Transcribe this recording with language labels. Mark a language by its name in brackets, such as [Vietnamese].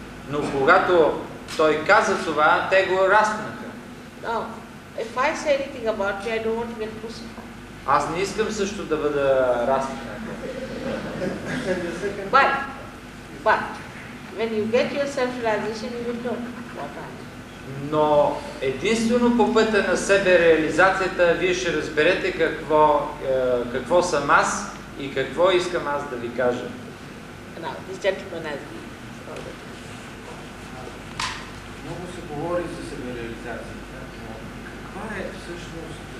[Bulgarian] Но когато той каза това, те го разпнаха. [English] No, if I say anything about me, I don't want to get crucified. [Bulgarian] Аз не искам също да бъда разпнат. [English] But when you get your self-realization, you will know what I am. [Bulgarian] Но единствено по пътя на себе реализацията, вие ще разберете какво съм аз и какво искам аз да ви кажа. Много се говори за себе реализацията. Каква е всъщност